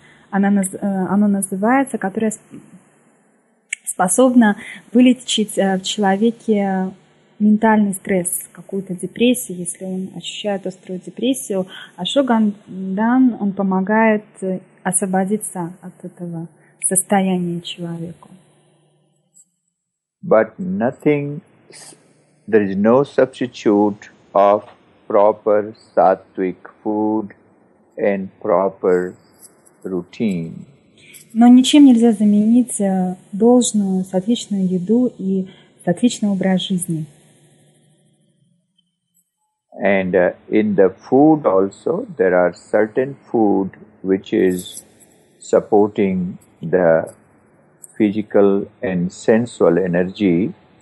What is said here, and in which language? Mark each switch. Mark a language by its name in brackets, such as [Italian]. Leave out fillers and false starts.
[Russian] Оно называется, которое способно вылечить в человеке ментальный стресс, какую-то депрессию, если он ощущает острую депрессию. Ашваганда, он помогает освободиться от этого состояния человеку. [English] But nothing. There is no substitute of proper sattvic food and proper routine. [Russian] Но ничем нельзя заменить должную сатвичную еду и сатвичный образ жизни. [English] And in the food also, there are certain food which is supporting the physical and sensual energy.